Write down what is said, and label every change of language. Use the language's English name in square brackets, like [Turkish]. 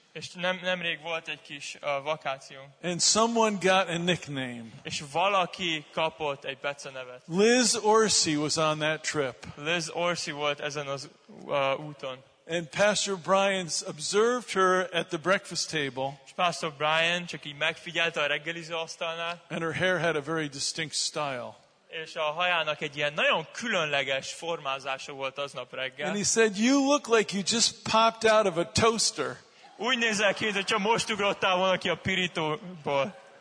[Hungarian] És nemrég volt egy kis vakáció. [English] And someone got a nickname. [Hungarian] És valaki kapott egy becenevet. [English] Liz Orsi was on that trip. [Hungarian] Liz Orsi volt ezen az úton. [English] And Pastor Brian observed her at the breakfast table. [Hungarian] Pastor Brian csak így megfigyelte a reggeliző asztalnál. [English] And her hair had a very distinct style. [Hungarian] És a hajának egy ilyen nagyon különleges formázása volt aznap reggel. [English] And he said, "You look like you just popped out of a toaster." [Hungarian] Úgy nézel ki, hogy csak most ugrottál volna ki a pirítóból.